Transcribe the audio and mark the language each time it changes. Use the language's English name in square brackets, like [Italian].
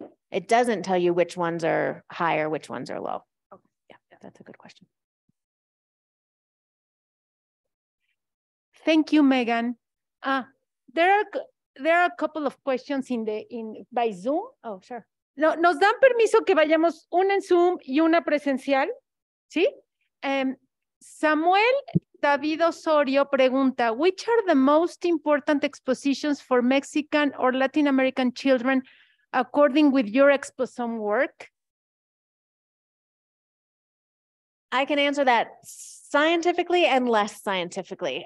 [English] It doesn't tell you which ones are high or which ones are low. Okay. Yeah, that's a good question. Thank you, Megan. There are a couple of questions by Zoom. Oh, sure. [Spanish] No, nos dan permiso que vayamos una en Zoom y una presencial, ¿sí? [English] Samuel David Osorio [Spanish] pregunta, [English] which are the most important expositions for Mexican or Latin American children according with your exposome work? I can answer that scientifically and less scientifically.